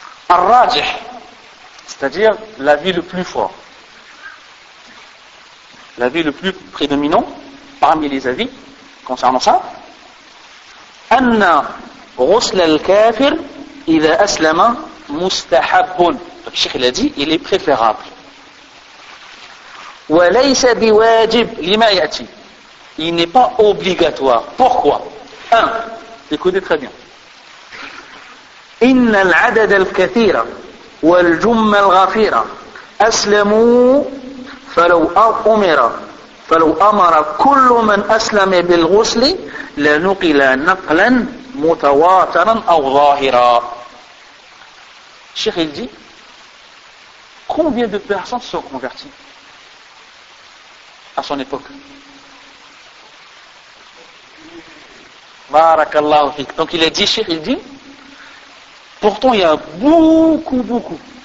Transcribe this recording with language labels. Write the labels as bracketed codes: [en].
[fr] الراجح c'est-à-dire l'avis le plus fort, l'avis le plus prédominant parmi les avis concernant ça, [ar] أن غسل الكافر إذا أسلم مستحب. [fr] Donc الشيخ il a dit il est préférable. [ar] وليس بواجب لما يأتي. [fr] Il n'est pas obligatoire. Pourquoi? 1. Écoutez très bien. [ar] إن العدد الكثير والجمة الغفيرة أسلموا فلو أمر كل من أسلم بالغسل لنقل نقلا متواترا أو ظاهرا. الشيخ يجي [fr] combien de personnes sont converties à son époque. Barakallahu fik. Donc il a dit, Cheikh, il dit, pourtant il y a beaucoup, beaucoup.